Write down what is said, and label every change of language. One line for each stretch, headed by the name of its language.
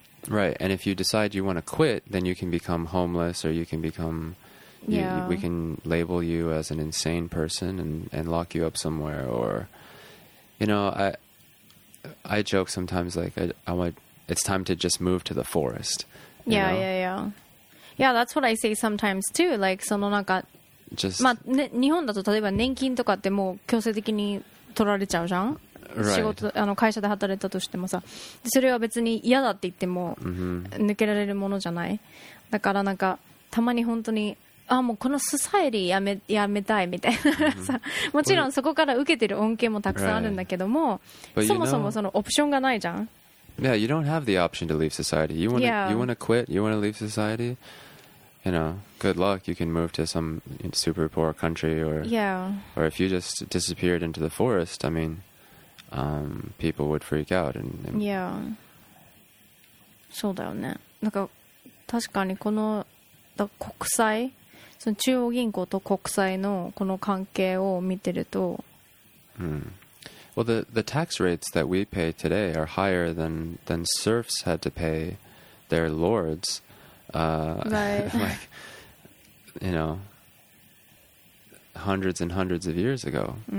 English: Right, and if you decide you want to quit, then you can become homeless, or you can become... We can label you as an insane person and lock you up somewhere, or... You know, I joke sometimes, like, I want... It's time to just move to the forest. Yeah, yeah, yeah. Yeah, that's what I say sometimes, too. Like,
Japanese: その中...
English: Just,
Japanese: まあね、日本だと例えば年金とかってもう強制的に取られちゃうじゃん、
English: right.
Japanese: 仕事あの会社で働いたとしてもさ、それは別に嫌だって言っても抜けられるものじゃない、mm-hmm. だからなんかたまに本当にあもうこのソサエティやめたいみたいなさ、mm-hmm. もちろんそこから受けてる恩恵もたくさんあるんだけども、
English: right.
Japanese: そもそもそのオプションがないじゃん。
English: Yeah, you don't have the option to leave society. You wanna quit? You wanna leave society? You know, good luck. You can move to some super poor country, or if you just disappeared into the forest, I mean, people would freak out. And yeah.
Japanese: そうだよね。なんか確かにこの国債、その中央銀行と国債のこの関係を見てると、
English: Well, the tax rates that we pay today are higher than serfs had to pay their lords. Right. like, you know, hundreds and hundreds of years ago.